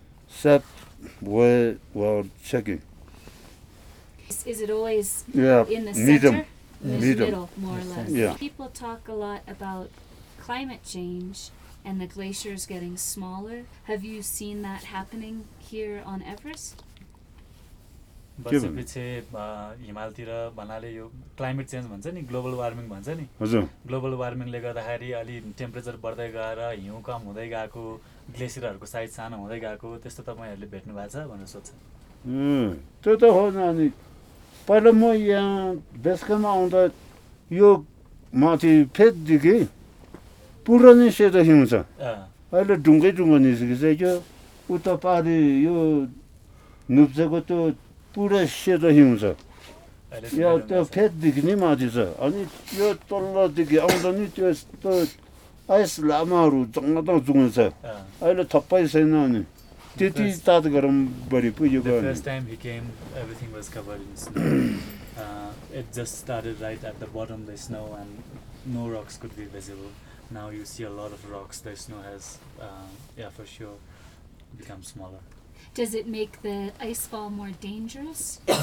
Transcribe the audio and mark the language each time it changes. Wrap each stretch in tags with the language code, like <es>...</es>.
<en>Safe where we're checking. Is it always yeah, in the medium. Center? Yeah. Middle, more or less. Yeah. People talk a lot about climate change and the glaciers getting smaller. Have you seen that happening here on Everest?</en> <ne>बस पछि हिमालतिर भन्नाले यो climate change भन्छ नि global warming भन्छ नि हजुर global वार्मिङले गर्दाखेरि अलि टेम्परेचर बढ्दै गएर हिउँ कम हुँदै गएको ग्लेसियरहरूको साइज सानो हुँदै गएको त्यस्तो तपाईँहरूले भेट्नु भएको छ भनेर सोध्छ त्यो त हो नि पहिला म यहाँ बेसकामा आउँदा यो माथि फेददेखि पुरानै सेतो हिउँ छ अहिले ढुङ्गै ढुङ्गो निस्किसक्यो उता पारि यो नुप्चेको त्यो पुरै सेतो हिउँ छ यो त्यो फेददेखि नै माथि छ अनि यो तल्लोदेखि आउँदा नि त्यो यस्तो आइस लामाहरू जङ्गा जुङ्गो छ अहिले थप्पै छैन अनि त्यति तात गरम भरि पुगेको</ne> <en>it just started right at the bottom, the snow, and no rocks could be visible. Now you see a lot of rocks, the snow has, yeah, for sure, become smaller. Does it make the ice fall more dangerous?</en>